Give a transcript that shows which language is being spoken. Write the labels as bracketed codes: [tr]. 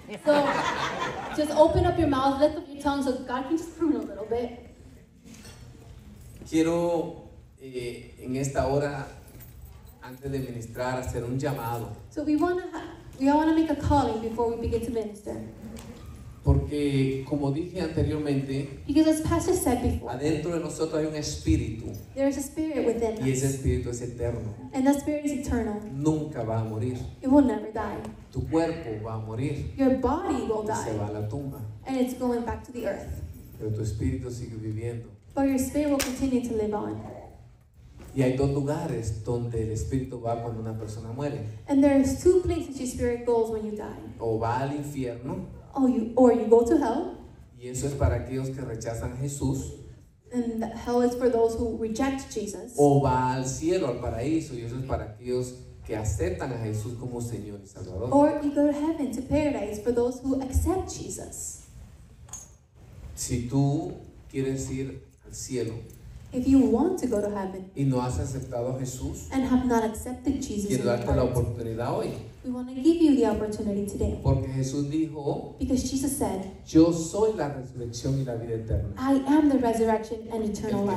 [en] So, just open up your mouth, lift up your tongue so God can just prune a little bit. [es] Quiero en esta hora, antes de ministrar, hacer un llamado. [en] So we want to make a calling before we begin to minister. [es] Porque como dije anteriormente, [en] before, [es] adentro de nosotros hay un espíritu, [en] there is a spirit within [es] y ese espíritu es eterno. [en] And that spirit is eternal. [es] Nunca va a morir. [en] It will never die. [es] Tu cuerpo va a morir. [en] Your body will die. [es] Se va a la tumba. [en] And it's going back to the earth. [es] Pero tu espíritu sigue viviendo. [en] But your spirit will continue to live on. [es] Y hay dos lugares donde el espíritu va cuando una persona muere. [en] And there is two places your spirit goes when you die. [es] O va al infierno. [en] Or you go to hell. [es] Y eso es para aquellos que rechazan Jesús. [en] And hell is for those who reject Jesus. [es] O va al cielo, al paraíso, y eso es para aquellos que aceptan a Jesús como Señor y Salvador. [en] Or you go to heaven, to paradise, for those who accept Jesus. [es] Si tú quieres ir al cielo, [en] if you want to go to heaven, [es] y no has aceptado a Jesús, [en] and have not accepted Jesus, [es] quiero darte la oportunidad hoy. [en] We want to give you the opportunity today. [es] Porque Jesús dijo, [en] because Jesus said, [es] yo soy la resurrección y la vida eterna. [en] I am the resurrection and eternal life.